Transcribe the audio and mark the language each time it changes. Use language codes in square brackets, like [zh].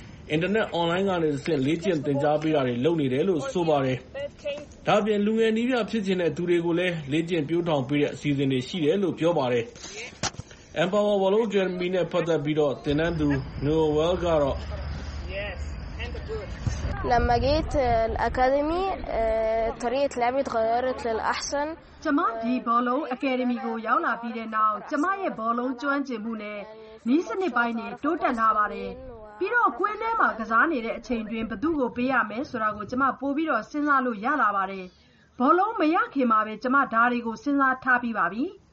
[my] အင်တာနက်အွန်လိုင်းကနေဆက်လေ့ကျင့်သင်ကြားပေးတာတွေလုပ်နေတယ်လို့ဆိုပါတယ်။ဒါပြင်လူငယ်နည်းပြဖြစ်ချင်တဲ့သူတွေကိုလည်းလေ့ကျင့်ပြိုးထောင်ပေးတဲ့အစီအစဉ်တွေရှိတယ်လို့ပြောပါတယ်။ Empower Wallow Germany နဲ့ပတ်သက်ပြီးတော့သင်တန်းသူ Noel ကတော့ [ar] لما جيت الاكاديمي طريقه لعبي تغيرت للاحسن جماعه دي بولو اكاديمي [my] ကိုရောက်လာပြီးတဲ့နောက်ကျမရဲ့ဘောလုံးကျွမ်းကျင်မှုနဲ့ဤစနစ်ပိုင်းနေတိုးတက်လာပါတယ်။ပြီးတော့ကွင်းထဲမှာကစားနေတဲ့အချိန်တွင်ဘသူ့ကိုပေးရမယ်ဆိုတာကိုကျမပို့ပြီးတော့စဉ်းစားလို့ရလာပါတယ်ဘောလုံးမရခင်မှာပဲကျမဓာတ်တွေကိုစဉ်းစားထားပြီးပါပြီ